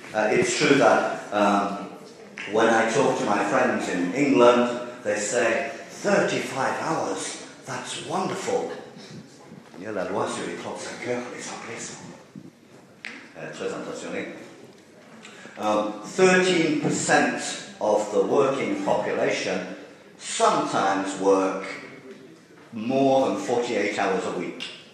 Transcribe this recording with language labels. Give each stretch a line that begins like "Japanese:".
English: It's true that when I talk to my friends in England, they say, 35 hours, that's wonderful.
French: Il y a la loi sur les 35 heures, les Anglais sont très impressionnés.
English: 13% of the working population sometimes work more than 48 hours a week.